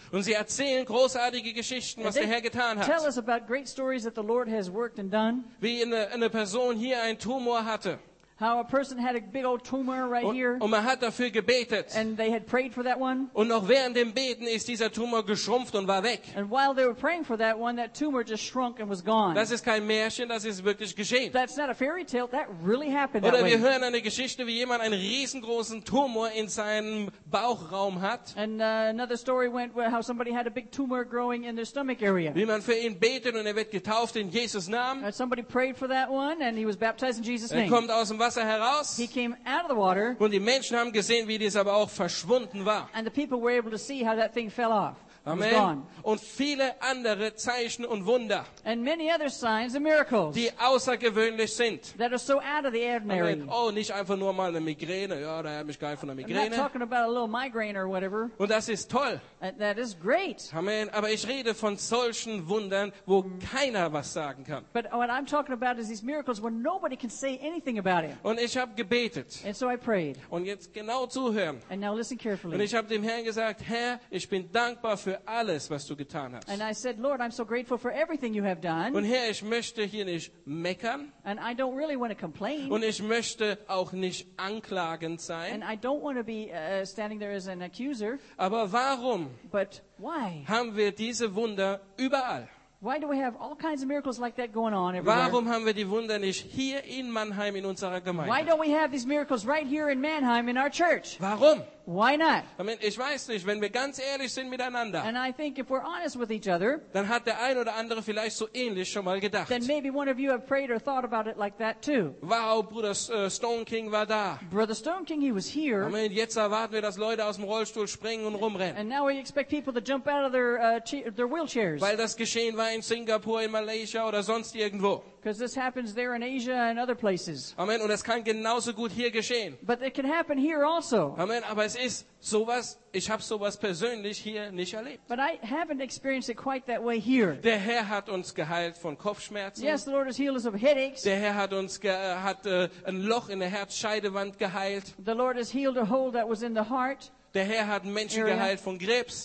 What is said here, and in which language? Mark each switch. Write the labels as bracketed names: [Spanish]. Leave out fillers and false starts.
[German] Und sie erzählen großartige Geschichten, was der Herr getan hat. [English] Tell us about great stories that the Lord has worked and done. [German] Wie eine Person hier einen Tumor hatte. [English] How a person had a big old tumor right here. [German] Und man hat dafür gebetet. [English] And they had prayed for that one. [German] Und noch während dem Beten ist dieser Tumor geschrumpft und war weg. [English] And while they were praying for that one, that tumor just shrunk and was gone. [German] Das ist kein Märchen, das ist wirklich geschehen. [English] That's not a fairy tale, that really happened. [German] Oder [English] that [German] wir Hören eine Geschichte, wie jemand einen riesengroßen Tumor in seinem Bauchraum hat. [English] And another story went how somebody had a big tumor growing in their stomach area. [German] Wie man für ihn betet und er wird getauft in Jesus Namen. [English] And somebody prayed for that one and he was baptized in Jesus name. [German] Er kommt aus dem heraus. [English] He came out of the water. [German] Und die Menschen haben gesehen, wie dies aber auch verschwunden war. [English] And the people were able to see how that thing fell off. [German] Amen. Und viele andere Zeichen und Wunder. [English] And many other signs and miracles. [German] Die außergewöhnlich sind. [English] That are so out of the ordinary. [German] Amen. Oh, nicht einfach nur mal eine Migräne. Ja, da hat mich geheilt von einer Migräne. [English] I'm not talking about a little migraine or whatever. [German] Und das ist toll. [English] That is great. [German] Amen. Aber ich rede von solchen Wundern, wo keiner was sagen kann. [English] But what I'm talking about is these miracles where nobody can say anything about it. [German] Und ich habe gebetet. [English] And so I prayed. [German] Und jetzt genau zuhören. [English] And now listen carefully. [German] Und ich habe dem Herrn gesagt, Herr, ich bin dankbar für alles, was du getan hast. [English] And I said, Lord, I'm so grateful for everything you have done. [German] Und Herr, ich möchte hier nicht meckern. [English] And I don't really want to complain. [German] Und ich möchte auch nicht anklagend sein. [English] And I don't want to be standing there as an accuser. [German] Aber warum? [English] But why? [German] Haben wir diese Wunder überall? [English] Why do we have all kinds of miracles like that going on everywhere? [German] Warum haben wir die Wunder nicht hier in Mannheim in unserer Gemeinde? [English] Why don't we have these miracles right here in Mannheim in our church? [German] Warum? [English] Why not? [German] I mean, ich weiß nicht, wenn wir ganz ehrlich sind miteinander, [English] and I think if we're honest with each other, [German] dann hat der ein oder andere vielleicht so ähnlich schon mal gedacht. [English] Then maybe one of you have prayed or thought about it like that too. [German] Wow, Bruder Stone King war da. [English] Brother Stone King, he was here. [German] I mean, jetzt erwarten wir, dass Leute aus dem Rollstuhl springen und rumrennen. [English] And now we expect people to jump out of their wheelchairs. [German] Weil das geschehen war in Singapur, in Malaysia oder sonst irgendwo. [English] Because this happens there in Asia and other places. [German] Amen. Und es kann genauso gut hier geschehen. [English] But it can happen here also. [German] Amen. Aber es ist sowas, ich habe sowas persönlich hier nicht erlebt. [English] But I haven't experienced it quite that way here. [German] Der Herr hat uns geheilt von Kopfschmerzen. [English] Yes, the Lord has healed us of headaches. [German] Der Herr hat uns ein Loch in der Herzscheidewand geheilt. [English] The Lord has healed a hole that was in the heart. [German] Der Herr hat Menschen geheilt von Krebs.